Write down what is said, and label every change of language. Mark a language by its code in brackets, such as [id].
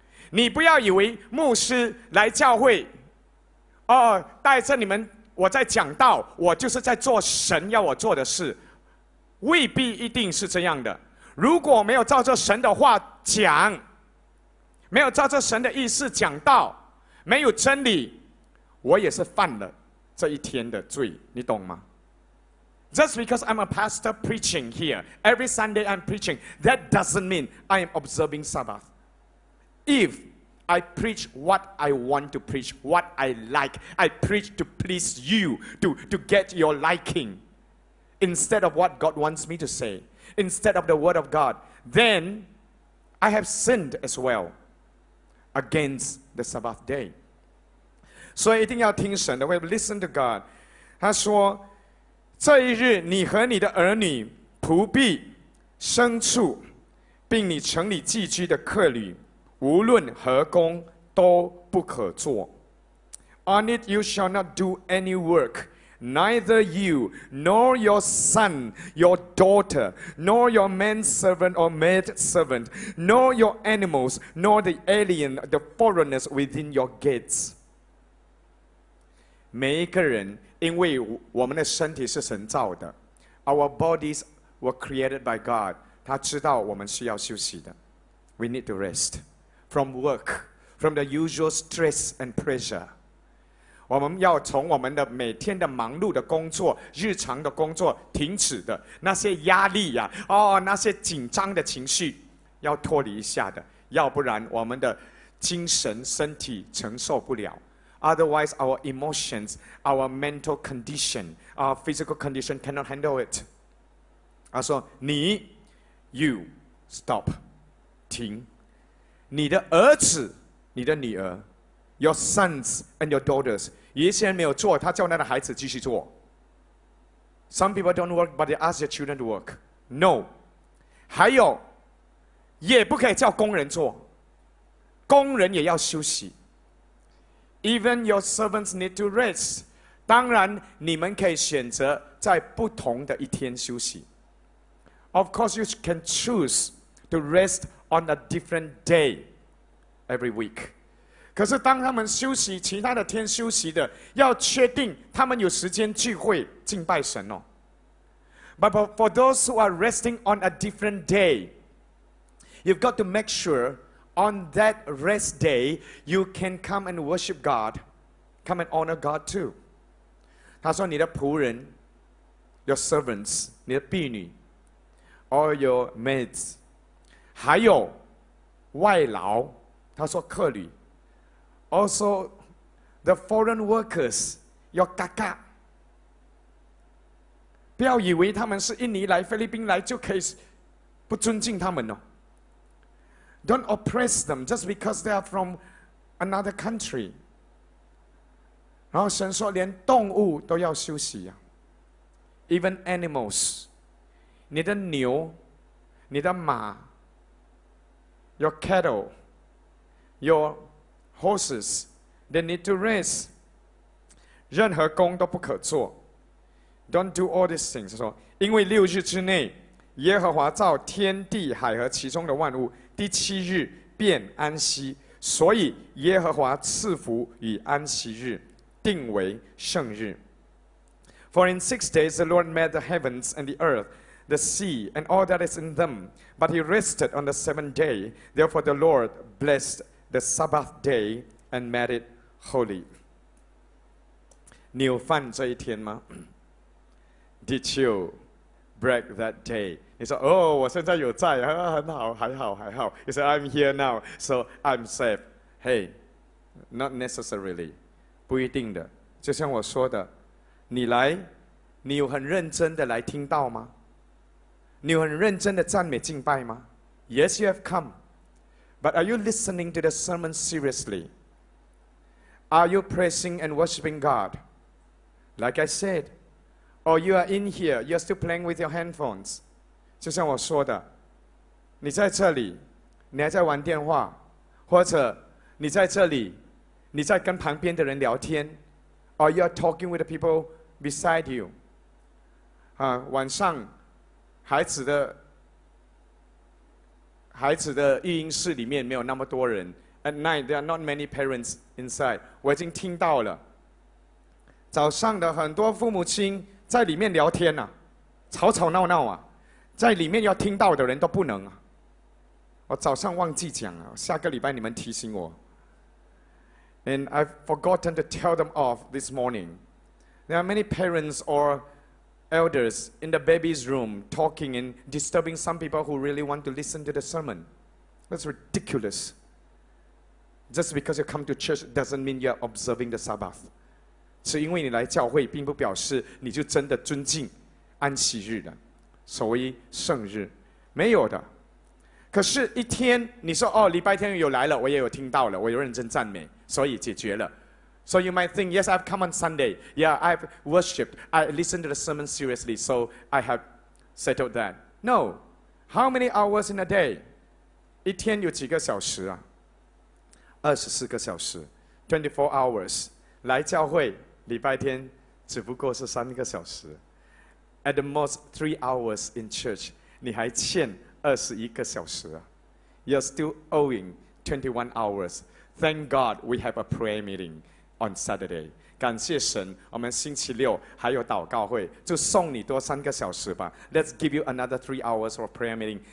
[zh] 你不要以为牧师来教会，哦，带着你们我在讲道，我就是在做神要我做的事，未必一定是这样的。如果没有照着神的话讲，没有照着神的意思讲道，没有真理，我也是犯了。这一天的罪，你懂吗？ [en] Just because I'm a pastor preaching here, every Sunday I'm preaching, that doesn't mean I am observing Sabbath. If I preach what I want to preach, what I like, I preach to please you, to get your liking, instead of what God wants me to say, instead of the word of God, then I have sinned as well against the Sabbath day. [zh] 所以一定要听神的 ， [en] We listen to God。 [zh] 他说：“这一日，你和你的儿女、仆婢、牲畜，并你城里寄居的客旅，无论何工都不可做。 [en] On it you shall not do any work, neither you, nor your son, your daughter, nor your manservant or maidservant, nor your animals, nor the alien, the foreigners within your gates.” [zh] 每一个人，因为我们的身体是神造的 ， [en] Our bodies were created by God。 [zh] 他知道我们需要休息的 [en] ，We need to rest from work, from the usual stress and pressure。 [zh] 我们要从我们的每天的忙碌的工作、日常的工作停止的那些压力呀、啊，哦，那些紧张的情绪，要脱离一下的，要不然我们的精神、身体承受不了。 [en] Otherwise, our emotions, our mental condition, our physical condition cannot handle it. [zh] 他说：“你 ， [en] you stop， [zh] 停。你的儿子，你的女儿 ， [en] your sons and your daughters， [zh] 有一些人没有做，他叫那个孩子继续做。 [en] Some people don't work, but they ask their children to work. [zh] No， 还有，也不可以叫工人做，工人也要休息。” [en] Even your servants need to rest. [zh] 当然，你们可以选择在不同的一天休息。 [en] Of course, you can choose to rest on a different day every week. [zh] 可是当他们休息，其他的天休息的，要确定他们有时间聚会敬拜神哦。 [en] But for those who are resting on a different day, you've got to make sure. On that rest day, you can come and worship God, come and honor God too. [zh] 他说你的仆人 ， [en] your servants， [zh] 你的婢女 ， [en] or your maids， [zh] 还有外劳，他说客旅 ， [en] also the foreign workers， [zh] your 嘎嘎。不要以为他们是印尼来、菲律宾来就可以不尊敬他们哦。 [en] Don't oppress them just because they are from another country. [zh] 然后神说连动物都要休息啊。 [en] Even animals. [zh] 你的牛，你的马， [en] your cattle, your horses, they need to rest. [zh] 任何工都不可做。 [en] Don't do all these things. [zh] 说因为六日之内耶和华造天地海和其中的万物第七日便安息，所以耶和华赐福与安息日，定为圣日。 [en] For in 6 days the Lord made the heavens and the earth, the sea, and all that is in them. But he rested on the seventh day. Therefore the Lord blessed the Sabbath day and made it holy. [zh] 你有犯罪一天吗? [en] Did you break that day? [zh] 你说, oh, 我现在有在, 很好, 还好, 还好。 [en] You say, I'm here now, so I'm safe. Hey, not necessarily. [zh] 不一定的。就像我说的,你来,你有很认真的来听到吗? 你有很认真的赞美敬拜吗? [en] Yes, you have come. But are you listening to the sermon seriously? Are you praising and worshiping God? Like I said, or you are in here, you are still playing with your handphones. [zh] 就像我说的,你在这里,你还在玩电话,或者你在这里,你在跟旁边的人聊天。 [en] Or you are talking with the people beside you. [zh] 晚上孩子的育婴室里面没有那么多人。 [en] At night, there are not many parents inside. [zh] 我已经听到了。早上的很多父母亲在里面聊天啊，吵吵闹闹啊，在里面要听到的人都不能啊。我早上忘记讲了，下个礼拜你们提醒我。 [en] And I've forgotten to tell them off this morning. There are many parents or elders in the baby's room talking and disturbing some people who really want to listen to the sermon. That's ridiculous. Just because you come to church doesn't mean you're observing the Sabbath. [zh] 是因为你来教会并不表示你就真的尊敬安息日的所谓圣日。没有的。可是一天你说哦礼拜天有来了我也有听到了我有认真赞美。所以解决了。 [en] So you might think, yes, I've come on Sunday. Yeah, I've worshipped. I listened to the sermon seriously, so I have settled that. No. How many hours in a day? [zh] 一天有几个小时啊？24个小时。 [en] 24 hours. [zh] 来教会礼拜天只不过是3个小时。 [en] At the most, 3 hours in church. [zh] 你还欠21个小时啊。 [en] You're still owing 21 hours. Thank God we have a prayer meeting on Saturday. [zh] 感谢神，我们星期六还有祷告会，就送你多3个小时吧。 [en] Let's give you another 3 hours for prayer meeting.